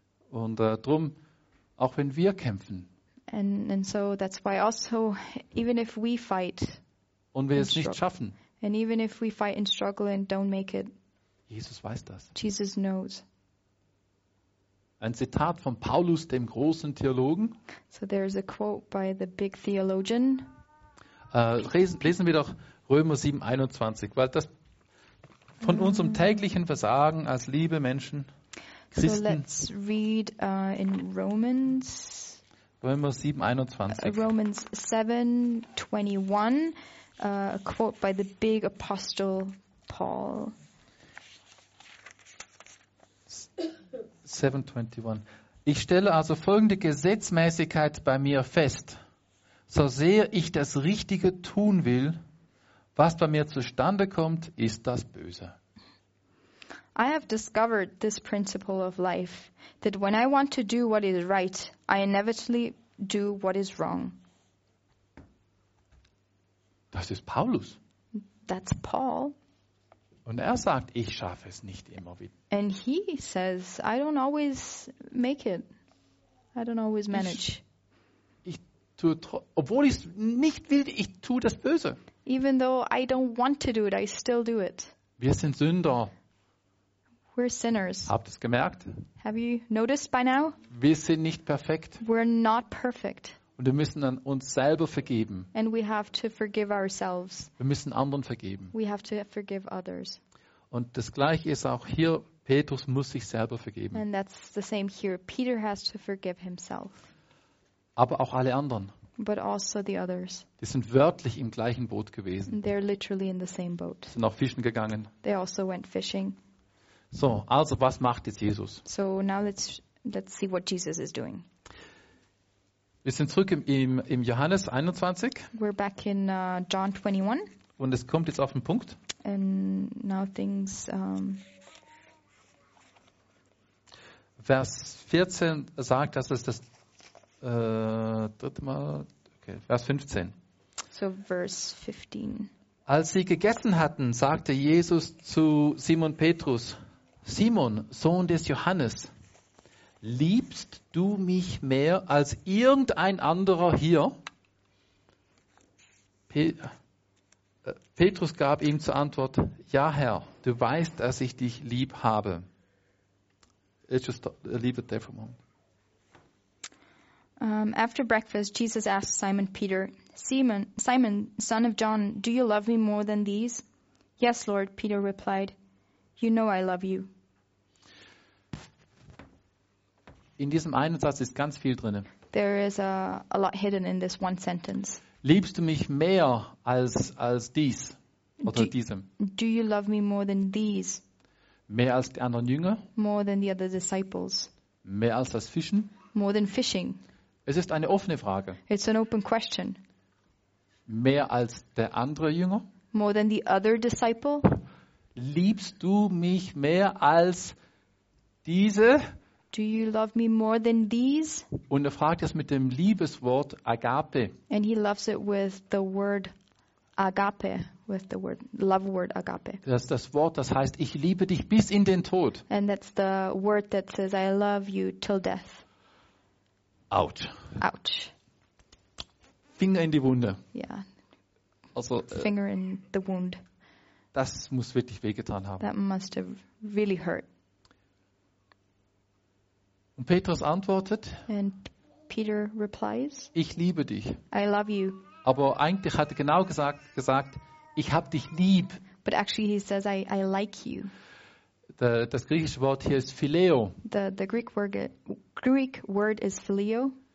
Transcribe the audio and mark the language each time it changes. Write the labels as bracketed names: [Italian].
[German] Und drum, auch wenn wir kämpfen. [English] And so that's why also, even if we fight. [German] Und wir es nicht schaffen. [English] And even if we fight and struggle and don't make it. [German] Jesus weiß das. [English] Jesus knows. [German] Ein Zitat von Paulus, dem großen Theologen. [English] So there's a quote by the big theologian. [German] Lesen wir doch Römer 7, 21, weil das von unserem täglichen Versagen als liebe Menschen, Christen. [English] So let's read in Romans. [German] Römer 7, 21. [English] Romans 7, 21, a quote by the big apostle Paul. 7:21. [German] Ich stelle also folgende Gesetzmäßigkeit bei mir fest. So sehr ich das Richtige tun will, was bei mir zustande kommt, ist das Böse. [English] I have discovered this principle of life, that when I want to do what is right, I inevitably do what is wrong. [German] Das ist Paulus. [English] That's Paul. [German] Und er sagt, ich schaffe es nicht immer wieder. [English] And he says, I don't always make it. I don't always manage. [German] Obwohl ich es nicht will, ich tue das Böse. [English] Even though I don't want to do it, I still do it. [German] Wir sind Sünder. [English] We're sinners. [German] Habt ihr es gemerkt? [English] Have you noticed by now? [German] Wir sind nicht perfekt. [English] We're not perfect. [German] Und wir müssen an uns selber vergeben. [English] And we have to forgive ourselves. [German] Wir müssen anderen vergeben. [English] We have to forgive others. [German] Und das Gleiche ist auch hier, Petrus muss sich selber vergeben. [English] And that's the same here. Peter has to forgive himself. [German] Aber auch alle anderen. [English] But also the others. [German] Die sind wörtlich im gleichen Boot gewesen. [English] They're literally in the same boat. [German] Sind auch fischen gegangen. [English] They also went fishing. [German] So, also was macht jetzt Jesus? [English] So now let's see what Jesus is doing. [German] Wir sind zurück im Johannes 21. [English] We're back in John 21. [German] Und es kommt jetzt auf den Punkt. [English] And now things. [German] Vers 14 sagt, dass es das dritte Mal. Okay, Vers 15. So Vers 15. Als sie gegessen hatten, sagte Jesus zu Simon Petrus: Simon, Sohn des Johannes, liebst du mich mehr als irgendein anderer hier? Petrus gab ihm zur Antwort: Ja, Herr, du weißt, dass ich dich lieb habe. [English] Let's just leave it there for a moment. After breakfast, Jesus asked Simon Peter, Simon, son of John, do you love me more than these? Yes, Lord, Peter replied. You know I love you. [German] In diesem einen Satz ist ganz viel drin. [English] There is a lot hidden in this one sentence. [German] Liebst du mich mehr als dies oder diesem? [English] Do you love me more than these? [German] Mehr als die anderen Jünger? [English] More than the other disciples. [German] Mehr als das Fischen? [English] More than fishing. [German] Es ist eine offene Frage. [English] It's an open question. [German] Mehr als der andere Jünger? [English] More than the other disciple? [German] liebst du mich mehr als diese? [English] Do you love me more than these? [German] Und fragt es mit dem Liebeswort Agape. [English] And he loves it with the word Agape, with the word love word Agape. [German] Das ist das Wort, das heißt, ich liebe dich bis in den Tod. [English] And that's the word that says I love you till death. Ouch. Ouch. [German] Finger in die Wunde. [English] Yeah. [German] Also, [English] finger in the wound. [German] Das muss wirklich wehgetan haben. [English] That must have really hurt. [German] Und Petrus antwortet, [English] and Peter replies, [German] ich liebe dich. [English] I love you. [German] Aber eigentlich hat er genau gesagt, ich hab dich lieb. [English] But actually he says, I like you. [German] Das griechische Wort hier ist Phileo. [English] The Greek word is Phileo.